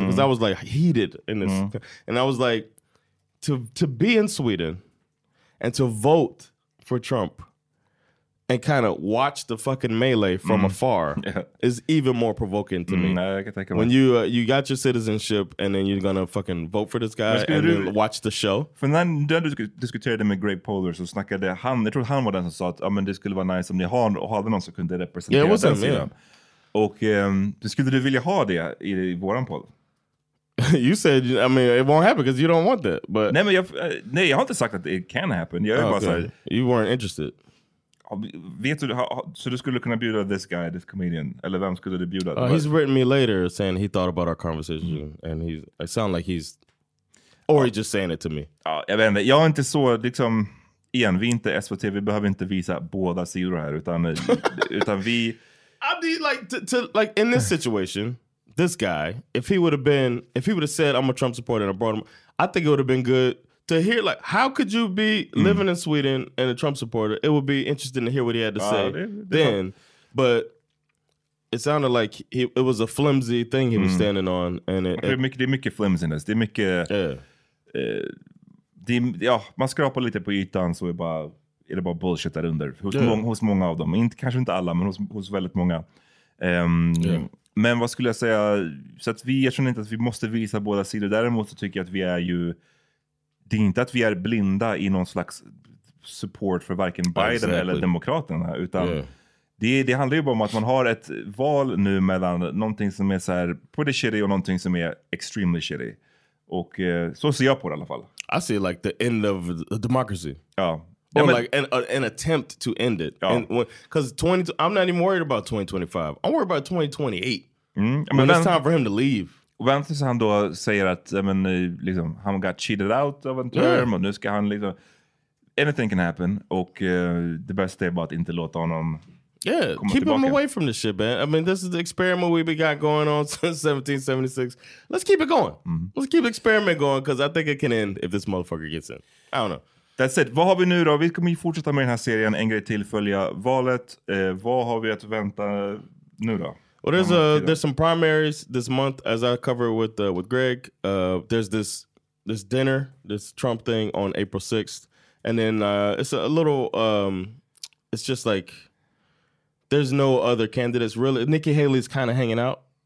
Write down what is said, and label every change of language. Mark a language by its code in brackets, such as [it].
[en] Because I was like heated in this. Mm. And I was like, to be in Sweden and to vote for Trump, and kind of watch the fucking melee from afar is even more provoking to me. I can take it when you got your citizenship and then you're gonna fucking vote for this guy and then watch the show. [sv] För när du diskuterade med Greg Poehler så snackade han, jag tror han var den som sa att ah, men det skulle vara nice om ni hade någon som kunde representera den sidan. Och skulle du vilja ha det i våran poll? [en] You said, I mean, it won't happen because you don't want that. But [sv] nej, jag har inte sagt att [en] it can happen. [sv] Jag bara sa, [en] you weren't interested. [sv] Vet du, så du skulle kunna bjuda [en] this guy, this comedian, [sv] eller vem skulle du bjuda? [en] He's written me later saying he thought about our conversation, and he's, I sound like he's, or he's just saying it to me. [sv] Jag vet inte, jag är inte så, liksom, igen, vi är inte SVT, vi behöver inte visa båda sidor här, utan vi... [en] I mean, like, to in this situation, this guy, if he would have said, I'm a Trump supporter and I brought him, I think it would have been good. To hear, like, how could you be living in Sweden and a Trump supporter? It would be interesting to hear what he had to say then. But it sounded like it was a flimsy thing he was standing on. And [sv] det är mycket flimsiness. Det är mycket... man skrapar lite på ytan så är det bara bullshit där under. Hos många av dem. Kanske inte alla, men hos väldigt många. Men vad skulle jag säga? Så att jag känner inte att vi måste visa båda sidor. Däremot så tycker jag att vi är ju... Det är inte att vi är blinda i någon slags support för varken Biden eller Demokraterna. Utan det handlar ju bara om att man har ett val nu mellan någonting som är så här [en] pretty shitty [sv] och någonting som är [en] extremely shitty. [sv] Och så ser jag på det i alla fall. [en] I see like the end of the democracy. [sv] Ja. [en] Or like an attempt to end it. [sv] Ja. [en] Because I'm not even worried about 2025. I'm worried about 2028. Mm. I mean, it's time for him to leave. [sv] Vantis han då säger att men, liksom, han [en] got cheated out of a term [sv] och nu ska han liksom... [en] Anything can happen. [sv] Och det bästa är bara att inte låta honom [en] Yeah, [sv] komma [en] keep [sv] tillbaka. [en] Him away from this shit, man. I mean, this is the experiment we've got going on since 1776. Let's keep it going. Mm. Let's keep the experiment going because I think it can end if this motherfucker gets in. I don't know. That's it. [sv] Vad har vi nu då? Vi kommer ju fortsätta med den här serien. En grej till, följa valet. Vad har vi att vänta nu då? [en] Well, there's some primaries this month, as I cover with Greg. There's this dinner, this Trump thing on April 6th. And then it's a little, it's just like, there's no other candidates really. Nikki Haley's kind of hanging out.